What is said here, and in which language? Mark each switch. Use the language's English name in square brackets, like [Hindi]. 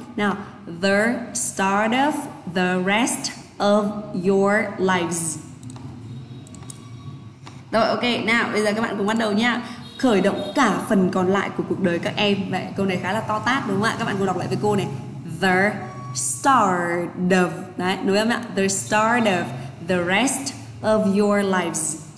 [English] Now, the start of the rest of your lives. [Vietnamese] Rồi, ok, nào, bây giờ các bạn cùng bắt đầu nhé. Khởi động cả phần còn lại của cuộc đời các em. Vậy câu này khá là to tát đúng không ạ? Các bạn cùng đọc lại với cô này. [English] The start of, [Vietnamese] đấy, đúng không ạ? [English] The start of the rest of your lives.